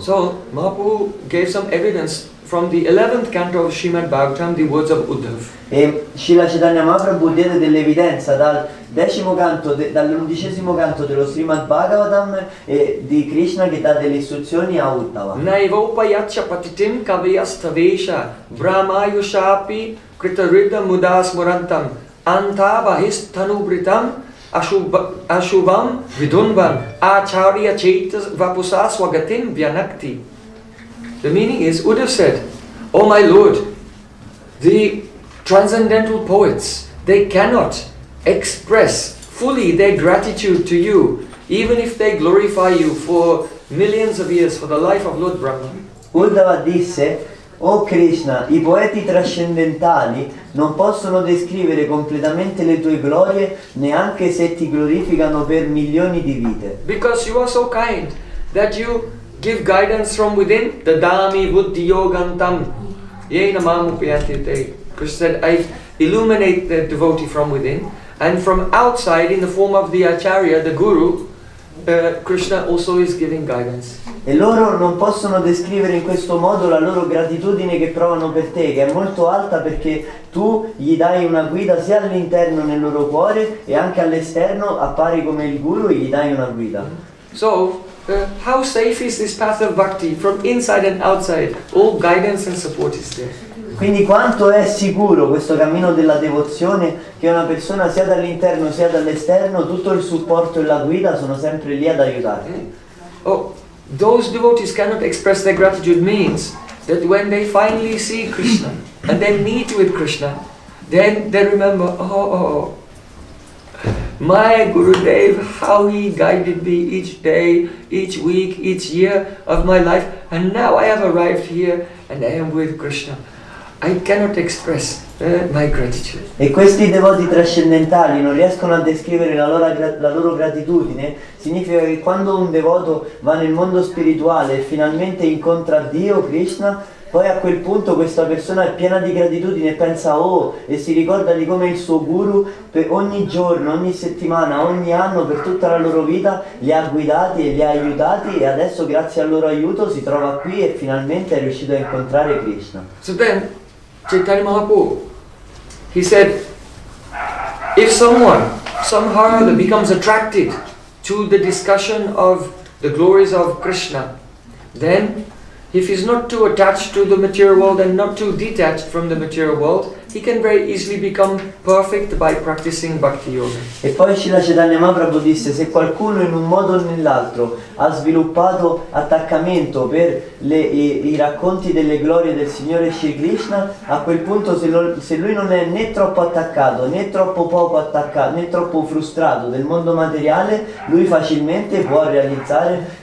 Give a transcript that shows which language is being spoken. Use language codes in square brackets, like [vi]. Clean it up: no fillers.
[en] So Mahaprabhu gave some evidence from the 11th canto of Srimad Bhagavatam, the words of Uddhav. [it] E Srila Chaitanya Mahaprabhu diede dell'evidenza dal decimo canto, dall'undicesimo canto dello Srimad Bhagavatam di Krishna che dà delle istruzioni a Uddhava. [sa] Naivopayaccha patitim kaviyastavesha brahmayushapi kritaridam mudasmurantam antabahisthanubritam ashubam vidunvam acharya chaitas vapusaswagatim vyanakti. [en] The meaning is, Uddhava said, O my Lord, the transcendental poets, they cannot express fully their gratitude to you, even if they glorify you for millions of years for the life of Lord Brahma. [it] Uddhava disse, O Krishna, i poeti trascendentali non possono descrivere completamente le tue glorie, neanche se ti glorificano per milioni di vite. [en] Because you are so kind that you give guidance from within, the [sa] dhammi buddhi yogantam yena mamupayati te. [en] Krishna said, I illuminate the devotee from within, and from outside, in the form of the acharya, the guru, Krishna also is giving guidance. [it] E loro non possono descrivere in questo modo la loro gratitudine che provano per te, che è molto alta perché tu gli dai una guida sia all'interno nel loro cuore e anche all'esterno, appari come il guru e gli dai una guida. [en] So, how safe is this path of bhakti from inside and outside? All guidance and support is there. [it] Quindi quanto è sicuro questo cammino della devozione che una persona sia dall'interno sia dall'esterno, tutto il supporto e la guida sono sempre lì ad aiutarti. [en] Oh, those devotees cannot express their gratitude means that when they finally see Krishna and they meet with Krishna, then they remember, oh, my Gurudev, how he guided me each day, each week, each year of my life, and now I have arrived here and I am with Krishna. I cannot express my gratitude. [it] E questi devoti trascendentali non riescono a descrivere la loro gratitudine. Significa che quando un devoto va nel mondo spirituale e finalmente incontra Dio, Krishna, poi a quel punto questa persona è piena di gratitudine e pensa oh, e si ricorda di come il suo guru per ogni giorno, ogni settimana, ogni anno, per tutta la loro vita li ha guidati e li ha aiutati e adesso grazie al loro aiuto si trova qui e finalmente è riuscito a incontrare Krishna. [en] So then, Chaitanya Mahaprabhu, he said, if someone somehow becomes attracted to the discussion of the glories of Krishna, then if he's not too attached to the material world and not too detached from the material world, he can very easily become perfect by practicing bhakti yoga. [it] E poi Srila Chaitanya Mahaprabhu disse, se qualcuno in un modo o nell'altro ha sviluppato attaccamento per i racconti delle glorie del Signore Sri Krishna, a quel punto se lui non è né troppo attaccato, né troppo poco attaccato, né troppo frustrato del mondo materiale, lui facilmente può realizzare